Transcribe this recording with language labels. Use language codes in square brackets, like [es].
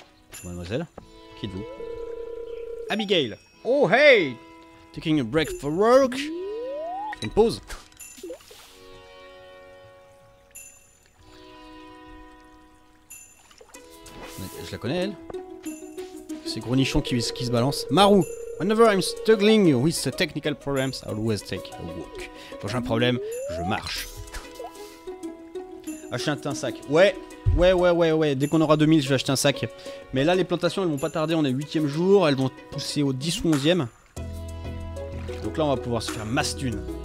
[fr] Bonjour, mademoiselle. Qui êtes-vous? Abigail! [en] Oh hey! Taking a break for work! [fr] Une pause! Je la connais elle? C'est gros nichon qui se balance. Maru! [en] Whenever I'm struggling with the technical problems, I always take a walk. [fr] Quand j'ai un problème, je marche. Acheter un sac. Ouais. Dès qu'on aura 2000, je vais acheter un sac. Mais là, les plantations, elles vont pas tarder. On est 8e jour. Elles vont pousser au 10 ou 11e. Donc là, on va pouvoir se faire masse thune.